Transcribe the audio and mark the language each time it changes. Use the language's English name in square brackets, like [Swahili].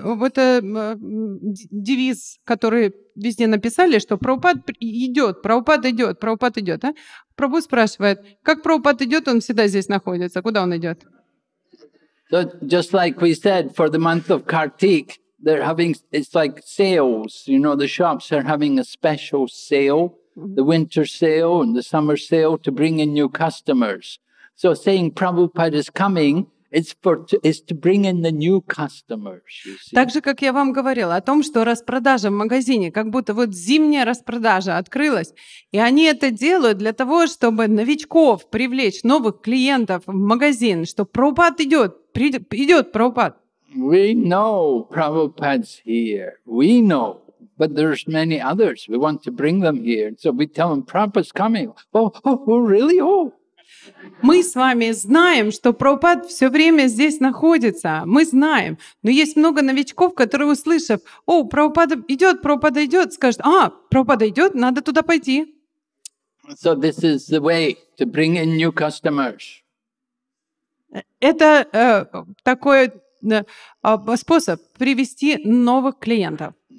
[Russian] Вот девиз, который везде написали, что Прабхупад идет. А? Прабху спрашивает, как Прабхупад идет, он всегда здесь находится. Куда он идет? [English] So, just like we said, for the month of Kartik, they're having, it's like sales, you know, the shops are having a special sale, the winter sale and the summer sale to bring in new customers. So saying Prabhupada is coming, is to bring in the new customers. [Russian] Так же, как я вам говорила о том, что распродажа в магазине, как будто вот зимняя распродажа открылась, и они это делают для того, чтобы новичков привлечь, новых клиентов в магазин, что Прабхупад идет, идет Прабхупад. [English] We know Prabhupada's here. We know. But there's many others. We want to bring them here. So we tell them, Prabhupada's coming. Oh, really? Oh. [Russian] Мы с вами знаем, что Прабхупад все время здесь находится. Мы знаем. Но есть много новичков, которые, услышав, о, Прабхупад идет, скажут, а, Прабхупад идет, надо туда пойти. [English] So this is the way to bring in new customers. [Russian] Это такой способ привести новых клиентов.